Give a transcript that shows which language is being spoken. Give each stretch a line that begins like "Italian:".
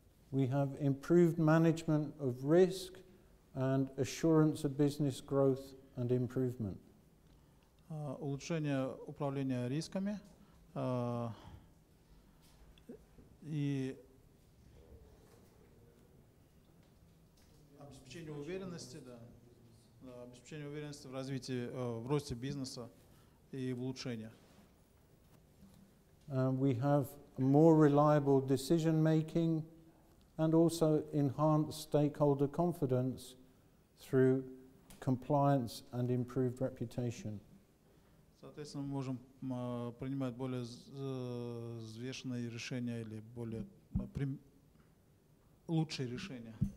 English: We have improved management of risk and assurance of business growth and improvement.
Russian: Улучшение управления рисками и обеспечение уверенности, да, обеспечение уверенности в развитии, в росте бизнеса и в улучшениях.
English: We have more reliable decision making and also enhanced stakeholder confidence through compliance and improved reputation.
Russian: Соответственно, мы можем принимать более взвешенные решения или более лучшие решения.